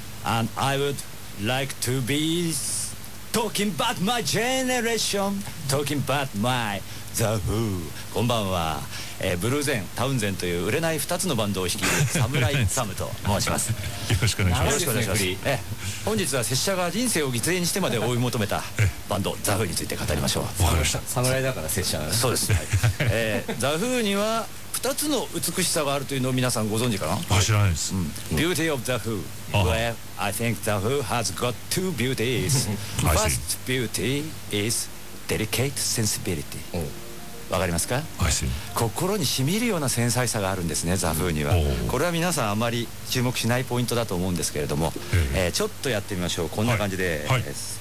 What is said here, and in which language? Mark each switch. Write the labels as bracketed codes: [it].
[en] And I would like to be talking about my generation, talking about my The Who. [ja] こんばんは。ブルーゼン、タウンゼンという売れない2つのバンドを率いるサムライ・サムと申します。よろしくお願いします。よろしくお願いします。本日は拙者が人生を犠牲にしてまで追い求めたバンド、ザ・フーについて語りましょう。わかりました。サムライだから拙者が。そうです、はい。ザ・フーには2つの美しさがあるというのを皆さんご存知かな。知らないです、うん、 [en] Beauty of the Who、Well, I think the Who has got two beauties. First beauty is delicate sensibility. [ja] わかりますか。心に染みるような繊細さがあるんですね、ザ・フーには。これは皆さんあまり注目しないポイントだと思うんですけれども、ちょっとやってみましょう。こんな感じです、はいはい。